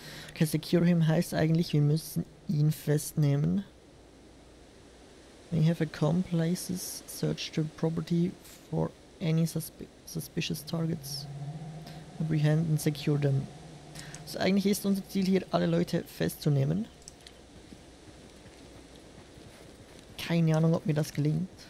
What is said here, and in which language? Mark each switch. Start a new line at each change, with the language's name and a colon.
German: Okay, secure him heißt eigentlich, wir müssen ihn festnehmen.
English: May have accomplices, search the property for any suspicious targets, apprehend and secure them.
German: So eigentlich ist unser Ziel hier, alle Leute festzunehmen. Keine Ahnung, ob mir das gelingt.